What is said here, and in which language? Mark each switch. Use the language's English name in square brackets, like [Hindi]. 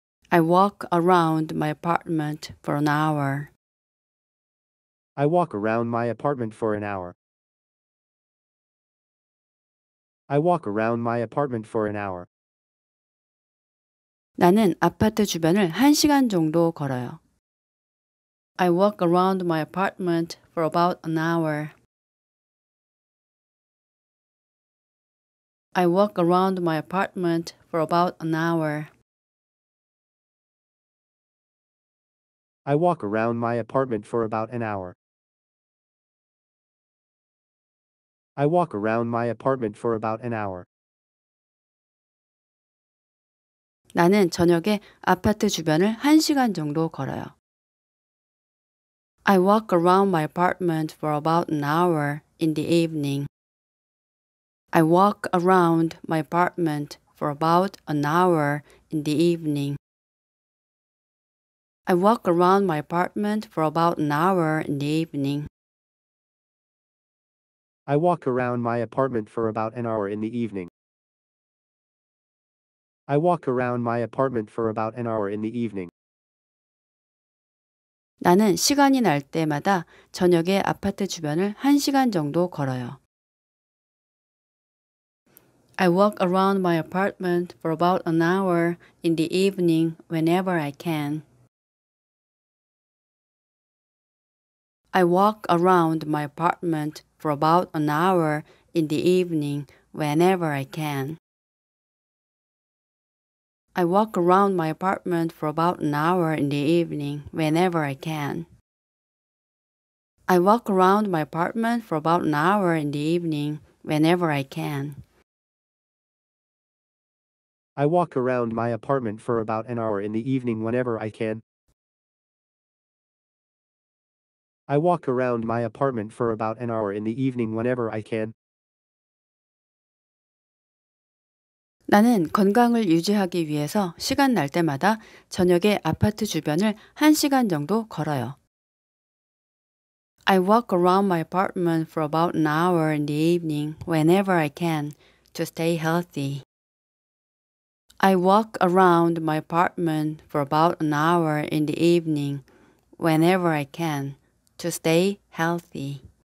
[English] I walk around my apartment for an hour. I walk around my apartment for an hour. I walk around my apartment for an hour. [Korean] 나는 아파트 주변을 한 시간 정도 걸어요. [English] I walk around my apartment for about an hour. I walk around my apartment for about an hour. I walk around my apartment for about an hour. I walk around my apartment for about an hour. [Korean] 나는 저녁에 아파트 주변을 한 시간 정도 걸어요. [English] I walk around my apartment for about an hour in the evening. I walk around my apartment for about an hour in the evening. I walk around my apartment for about an hour in the evening. I walk around my apartment for about an hour in the evening. I walk around my apartment for about an hour in the evening. [Korean] 나는 시간이 날 때마다 저녁에 아파트 주변을 한 시간 정도 걸어요. [English] I walk around my apartment for about an hour in the evening whenever I can. I walk around my apartment for about an hour in the evening whenever I can. I walk around my apartment for about an hour in the evening whenever I can. I walk around my apartment for about an hour in the evening whenever I can. I walk around my apartment for about an hour in the evening whenever I can. I walk around my apartment for about an hour in the evening whenever I can. [Korean] 나는 건강을 유지하기 위해서 시간 날 때마다 저녁에 아파트 주변을 한 시간 정도 걸어요. [English] I walk around my apartment for about an hour in the evening whenever I can to stay healthy. I walk around my apartment for about an hour in the evening whenever I can to stay healthy.